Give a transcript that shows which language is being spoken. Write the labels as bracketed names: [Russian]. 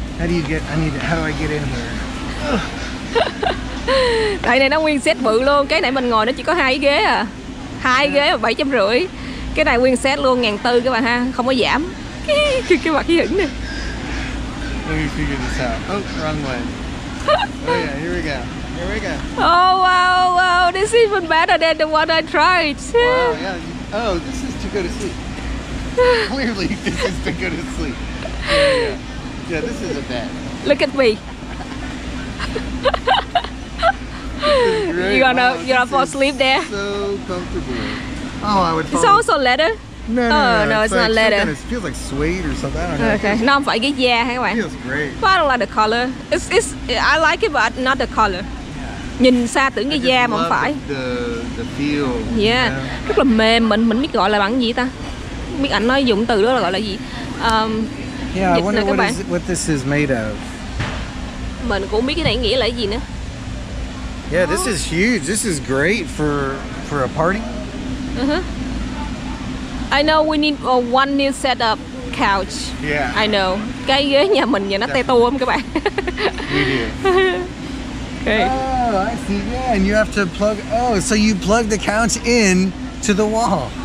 [English] How do you get I need to, how do I get in here? [Vietnamese] Đây này nó nguyên set bự luôn. Cái này mình ngồi nó chỉ có hai ghế à. Hai ghế và 750. Cái này nguyên set luôn 1400 các bạn ha, không có giảm. Cái mặt hi hửng nè. [English] Let me figure this out. Oh, wrong way. Oh yeah, here we go. Here we go. Oh wow, wow, this is even better than the one I tried. Wow, yeah. Oh, this is to go to sleep. Clearly, this is to go to sleep. Yeah, this is a bed. Look at me. You're gonna, wow, you're gonna fall asleep there. So comfortable. Oh, I would. It's also leather. No, it's not leather. It feels like suede or something. I don't know. Okay, feels, no, but I get yeah, hang on. It feels great. But I don't like the color. It's I like it, but not the color. Yeah. [Vietnamese] Nhìn xa tưởng cái da mà không phải. [English] The feel. Yeah. You know? [Vietnamese] Rất là mềm. Mình biết gọi là bằng gì ta? Biết ảnh nói dụng từ đó là gọi là gì? [English] Yeah, I wonder what, is, what this is made of. [Vietnamese] Mình cũng biết cái này nghĩa là gì nữa. [English] Yeah, this is huge. This is great for a party. I know we need a one new setup couch. Yeah. I know. [Vietnamese] Cái ghế nhà mình vậy nó tê tua không các bạn? [English] Okay. Oh, I see. Yeah, and you have to plug. Oh, so you plug the couch in to the wall.